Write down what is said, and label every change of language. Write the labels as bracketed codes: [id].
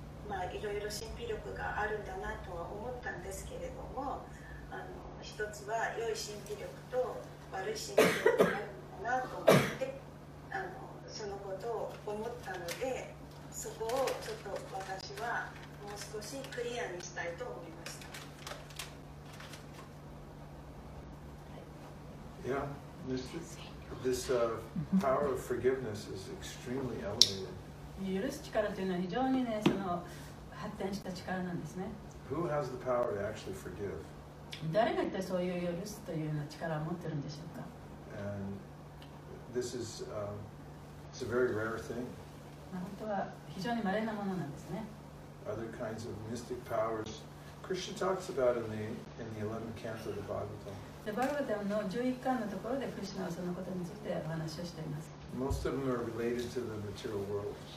[ja] まあ、いろいろ神秘力があるんだなとは思ったんですけれども、一つは良い神秘力と悪い神秘力があるんだなと思って、そのことを思ったので、そこをちょっと私はもう少しクリアにしたいと思いました。 [en] Yeah, this power of forgiveness is extremely elevated. [ja] 許す力というのは非常にね、その発展した力なんですね。 [en] Who has the power to actually forgive? [ja] 誰が一体そういう許すというような力を持ってるんでしょうか。 [en] And this is, it's a very rare thing. [ja] 本当は非常に稀なものなんですね。 [en] Other kinds of mystic powers, Krishna talks about in the 11th canto of the Bhagavatam. [ja] で、バルガダムの11巻のところでクリシュナはそのことについてお話をしています。 [en] Most of them are related to the material world.